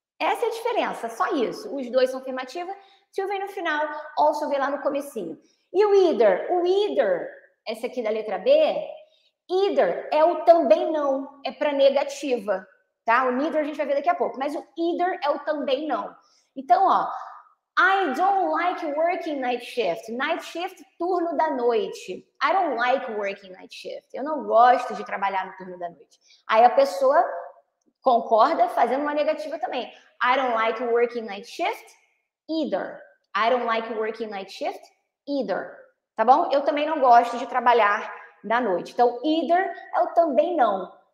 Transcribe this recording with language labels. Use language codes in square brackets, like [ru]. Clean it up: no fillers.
[pt] Essa é a diferença, só isso. Os dois são afirmativa. To vem no final, also vem lá no comecinho. E o either? O either, essa aqui da letra B, either é o também não, é para negativa, tá? O neither a gente vai ver daqui a pouco, mas o either é o também não. Então, ó, [en] I don't like working night shift. Night shift, [pt] turno da noite. [en] I don't like working night shift. [pt] Eu não gosto de trabalhar no turno da noite. Aí a pessoa concorda fazendo uma negativa também. [en] I don't like working night shift either. I don't like working night shift either. Tá bom? [pt] Eu também não gosto de trabalhar na noite. Então, either é o também não.